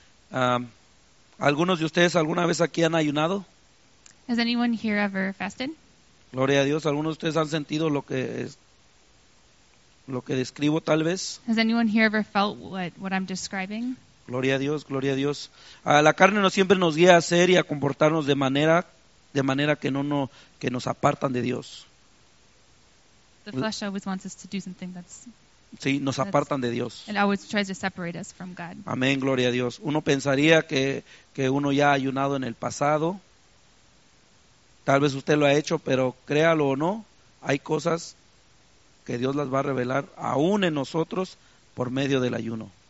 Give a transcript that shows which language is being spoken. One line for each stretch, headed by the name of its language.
Spanish: ¿Algunos de ustedes alguna vez aquí han ayunado?
English: Has anyone here ever fasted?
Spanish: Gloria a Dios. ¿Algunos de ustedes han sentido lo que describo tal vez?
English: Has anyone here ever felt what I'm describing?
Spanish: Gloria a Dios, gloria a Dios. La carne no siempre nos guía a hacer y a comportarnos de manera que que nos apartan de Dios.
English: The flesh always wants us to do something that's
Spanish: sí, nos apartan de Dios.
English: It always tries to separate us from God.
Spanish: Amén, gloria a Dios. Uno pensaría que uno ya ha ayunado en el pasado. Tal vez usted lo ha hecho, pero créalo o no, hay cosas que Dios las va a revelar aún en nosotros por medio del ayuno.